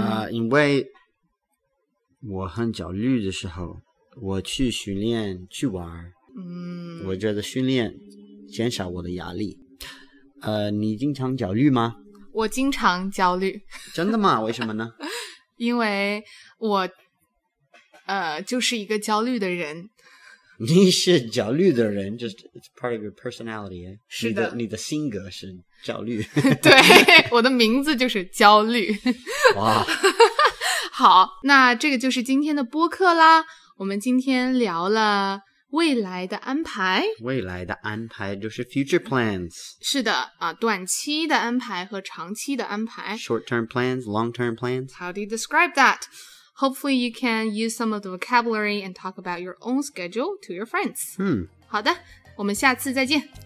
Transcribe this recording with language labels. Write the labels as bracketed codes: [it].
[zh] 因为我很焦虑的时候，我去训练，去玩。我觉得训练减少我的压力。你经常焦虑吗？我经常焦虑。真的吗？为什么呢？因为我就是一个焦虑的人。你是焦虑的人， [en] just it's part of your personality, eh? [zh] 是的。你的性格是焦虑。对，我的名字就是焦虑。哇。好，那这个就是今天的播客啦。我们今天聊了未来的安排。未来的安排就是 [en] future plans。 [zh] 是的啊，短期的安排和长期的安排。 [en] Short-term plans, long-term plans. How do you describe that? Hopefully you can use some of the vocabulary and talk about your own schedule to your friends. [zh] 好的，我们下次再见。